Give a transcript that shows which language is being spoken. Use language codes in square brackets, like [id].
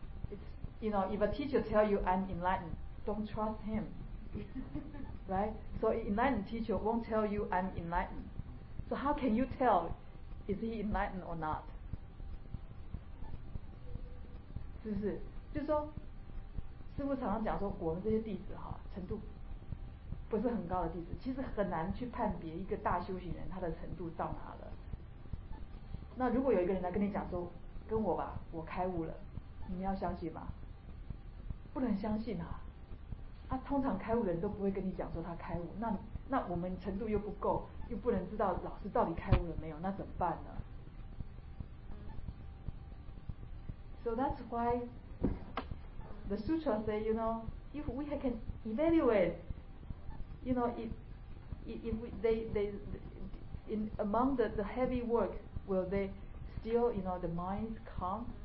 [en] It's, you know, if a teacher tell you I'm enlightened, don't trust him. Right? So enlightened teacher won't tell you I'm enlightened. So how can you tell is he enlightened or not? [zh] 是不是？就是说，师父常常讲说，我们这些弟子哈，程度不是很高的弟子，其实很难去判别一个大修行人他的程度到哪了。那如果有一个人来跟你讲说，跟我吧，我开悟了，你们要相信吗？不能相信啊！啊，通常开悟的人都不会跟你讲说他开悟，那我们程度又不够，又不能知道老师到底开悟了没有，那怎么办呢？ [en] So that's why the sutra say, you know, if we can evaluate, you know, if they in among the heavy work, will they still, you know, the minds calm?